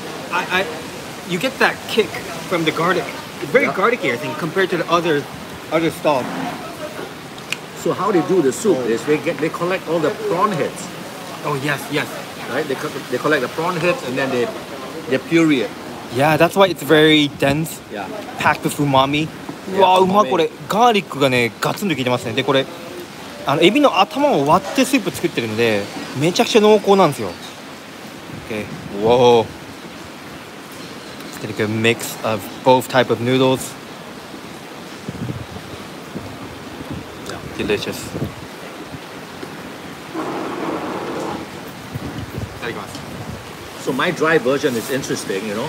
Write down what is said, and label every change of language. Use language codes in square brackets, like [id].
[en] I, you get that kick from the garlic. It's very garlicky, I think, compared to the other stuff. So how they do the soup is they collect all the prawn heads. Oh yes, yes. Right. They collect the prawn heads and then they puree it. Yeah, that's why it's very dense. Yeah. Packed with umami. Yeah, wow, umami. [ja] これ、ガーリックがね、ガツンと効いてますね。で、これ、あの、エビの頭を割ってスープ作ってるんで、めちゃくちゃ濃厚なんですよ。 [en] Okay. Whoa. It's a good mix of both type of noodles. Yeah. Delicious. [ja] いただきます。 [en] So my dry version is interesting, you know.